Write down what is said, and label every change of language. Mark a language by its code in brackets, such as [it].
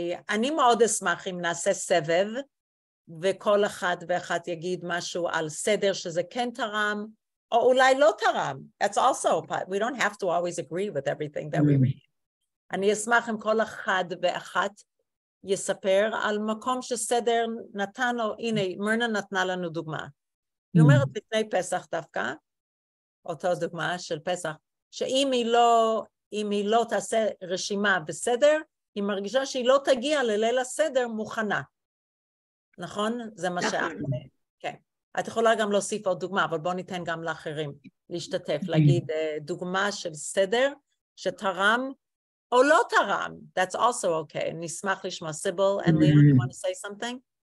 [he] אני מאוד אשמח אם נעשה סבב, וכל אחד ואחת יגיד משהו על סדר שזה כן תרם, או אולי לא תרם. [en] That's also, we don't have to always agree with everything that we read. [he] אני אשמח אם כל אחד ואחת יספר על מקום שסדר נתן, או הנה, מרנה נתנה לנו דוגמה. היא אומרת לפני פסח דווקא, אותו דוגמה של פסח, שאם היא לא, אם היא לא תעשה רשימה בסדר, היא מרגישה שהיא לא תגיע לליל הסדר מוכנה. נכון? זה מה שאת אומרת. כן. את יכולה גם להוסיף עוד דוגמה, אבל בוא ניתן גם לאחרים להשתתף, להגיד דוגמה של סדר שתרם או לא תרם. [en] That's also okay. [he] נשמח לשמוע. [en] Sybil and Leon, you want to say something?